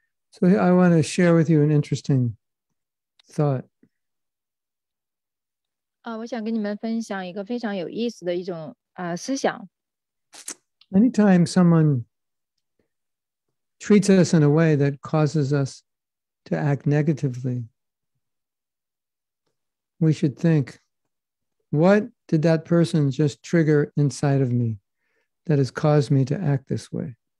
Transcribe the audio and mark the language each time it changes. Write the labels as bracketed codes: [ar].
[en] So I want to share with you an interesting thought. [zh] 我想跟你们分享一个非常有意思的一种, 思想。 [en] Anytime someone treats us in a way that causes us to act negatively, we should think, what did that person just trigger inside of me that has caused me to act this way?